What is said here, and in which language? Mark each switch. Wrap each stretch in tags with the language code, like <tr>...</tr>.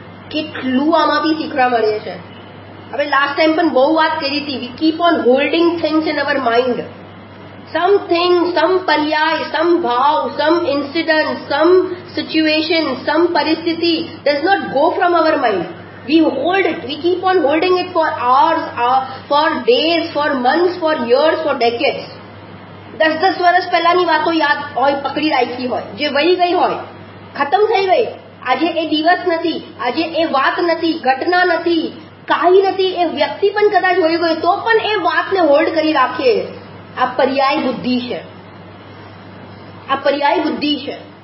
<gu>કેટલું આમાંથી શીખવા મળીએ છે. હવે લાસ્ટ ટાઈમ પણ બહુ વાત કરી હતી,</gu> <en>we keep on holding things in our mind,</en> <gu>sum thing, સમ પર્યાય, સમ ભાવ, સમ ઇન્સિડન્ટ, સમ સિચ્યુએશન, સમ પરિસ્થિતિ</gu> <en>Does not go from our mind. We hold it, we keep on holding it for hours, for days, for months, for years, for decades.</en> <gu>10-10 વર્ષ પહેલાની વાતો યાદ હોય, પકડી રાખી હોય, જે વહી ગઈ હોય, ખતમ થઈ ગઈ. આજે એ દિવસ નથી, આજે એ વાત નથી, ઘટના નથી, કાંઈ નથી, એ વ્યક્તિ પણ કદાચ હોય ગયો, તો પણ એ વાતને હોલ્ડ કરી રાખીએ. આ પર્યાય બુદ્ધિ છે, આ પર્યાય બુદ્ધિ છે.</gu>